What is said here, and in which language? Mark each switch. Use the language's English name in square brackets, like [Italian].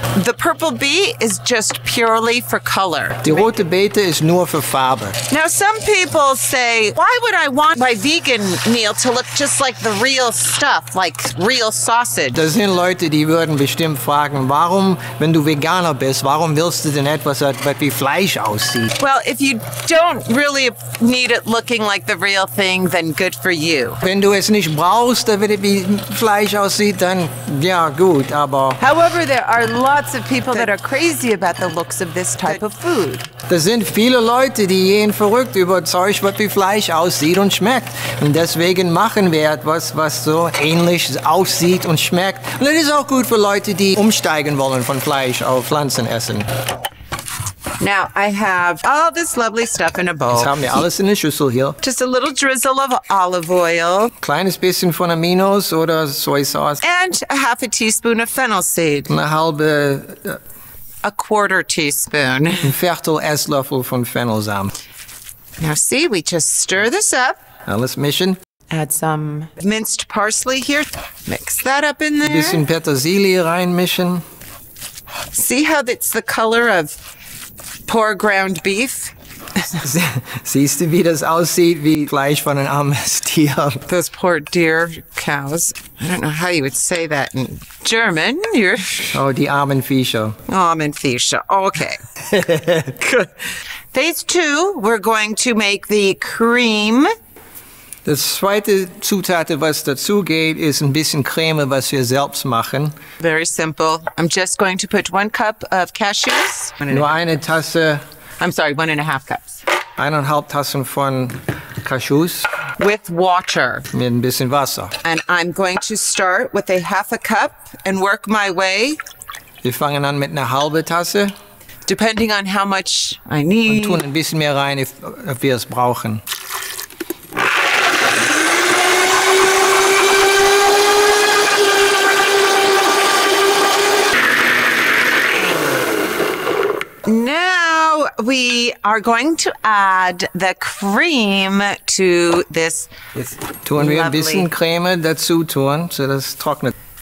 [English] The purple bee is just purely for color. [German] Die rote Beete ist nur für Farbe. [English] Now some people say, why would I want my vegan meal to look just like the real stuff, like real sausage? [German] Da sind Leute, die würden bestimmt fragen, warum, wenn du Veganer bist, warum willst du denn etwas, was wie Fleisch aussieht? [English] Well, if you don't really need it looking like the real thing, then good for you. [German] Wenn du es nicht brauchst, damit es wie Fleisch aussieht, dann ja, gut, aber... [English] However, there are lots of people that are crazy about the looks of this type of food. [German] Da sind viele Leute, die gehen verrückt über Zeug, was wie Fleisch aussieht und schmeckt. Und deswegen machen wir etwas, was so ähnlich aussieht und schmeckt. Und das ist auch gut für Leute, die umsteigen wollen von Fleisch auf Pflanzen essen. [English] Now, I have all this lovely stuff in a bowl. [German] Jetzt haben wir alles in der Schüssel hier. [English] Just a little drizzle of olive oil. [German] Kleines bisschen von Aminos oder Soy Sauce. [English] And a half a teaspoon of fennel seed. [German] Eine halbe... [English] A quarter teaspoon. [German] Ein Viertel Esslöffel von Fennelsamen. [English] Now, see, we just stir this up. Now, let's mission. Add some minced parsley here. Mix that up in there. [German] Ein bisschen Petersilie reinmischen. [English] See how it's the color of... Poor ground beef. [German] Siehst du, wie das aussieht, wie Fleisch von einem armen Tier? [English] Those poor deer cows. I don't know how you would say that in German. You're... [German] Oh, die armen Viecher. Armen Viecher. Okay. [English] Phase two, we're going to make the cream. [German] Das zweite Zutat, was dazu geht, ist ein bisschen Creme, was wir selbst machen. [English] Very simple. I'm just going to put one cup of cashews. [German] Nur eine Tasse [English] I'm sorry, 1.5 cups. [German] Einen halb Tassen von Cashews. [English] With water. [German] Mit ein bisschen Wasser. [English] And I'm going to start with 1/2 cup and work my way. [German] Wir fangen an mit einer halben Tasse. [English] Depending on how much I need. [German] Und tun ein bisschen mehr rein, [English] if [German] wir es brauchen. [English] Now we are going to add the cream to this. [German] Jetzt tun wir ein bisschen Creme dazu tun, so das trocknet.